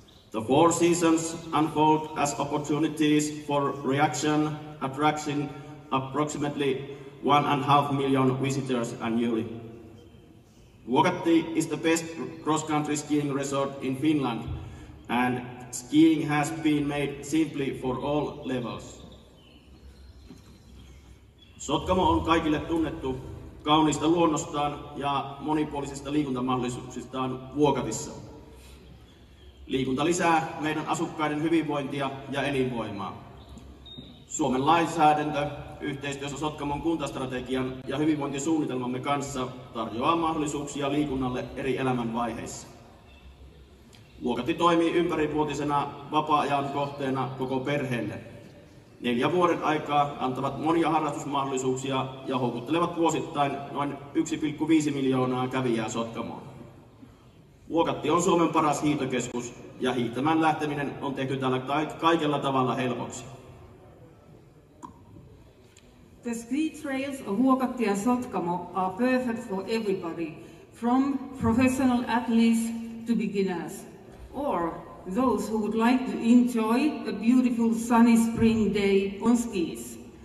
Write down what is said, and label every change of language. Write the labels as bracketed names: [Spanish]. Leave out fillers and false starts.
[English] The four seasons unfold as opportunities for reaction, attracting approximately 1.5 million visitors annually. Vuokatti is the best cross-country skiing resort in Finland, and skiing has been made simply for all levels. [Finnish] Sotkamo on kaikille tunnettu kauniista luonnostaan ja monipuolisista liikuntamahdollisuuksistaan Vuokatissa. Liikunta lisää meidän asukkaiden hyvinvointia ja elinvoimaa. Suomen lainsäädäntö yhteistyössä Sotkamon kuntastrategian ja hyvinvointisuunnitelmamme kanssa tarjoaa mahdollisuuksia liikunnalle eri elämänvaiheissa. Vuokatti toimii ympärivuotisena vapaa-ajan kohteena koko perheelle. 4 vuoden aikaa antavat monia harrastusmahdollisuuksia ja houkuttelevat vuosittain noin 1,5 miljoonaa kävijää Sotkamoon. Vuokatti on Suomen paras hiihtokeskus ja hiihtämään lähteminen on tehty täällä kaikella tavalla helpoksi. [English] The ski trails of Vuokatti and Sotkamo are perfect for everybody, from professional athletes to beginners, or those who would like to enjoy a beautiful sunny spring day on skis.